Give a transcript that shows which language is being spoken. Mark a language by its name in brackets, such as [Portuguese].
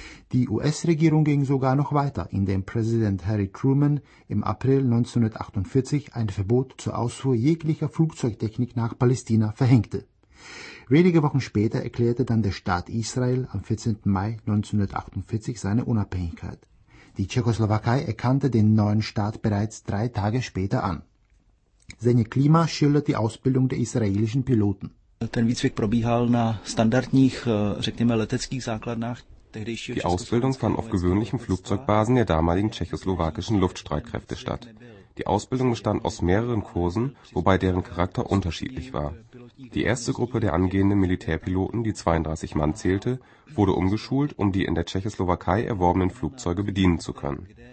[German] Die US-Regierung ging sogar noch weiter, indem Präsident Harry Truman im April 1948 ein Verbot zur Ausfuhr jeglicher Flugzeugtechnik nach Palästina verhängte. Wenige Wochen später erklärte dann der Staat Israel am 14. Mai 1948 seine Unabhängigkeit. Die Tschechoslowakei erkannte den neuen Staat bereits drei Tage später an. Zdeněk Klíma schildert die Ausbildung der israelischen Piloten. [Czech] Ten výcvik probíhal na standardních, řekněme, leteckých základnách. [German] Die Ausbildung fand auf gewöhnlichen Flugzeugbasen der damaligen tschechoslowakischen Luftstreitkräfte statt. Die Ausbildung bestand aus mehreren Kursen, wobei deren Charakter unterschiedlich war. Die erste Gruppe der angehenden Militärpiloten, die 32 Mann zählte, wurde umgeschult, um die in der Tschechoslowakei erworbenen Flugzeuge bedienen zu können.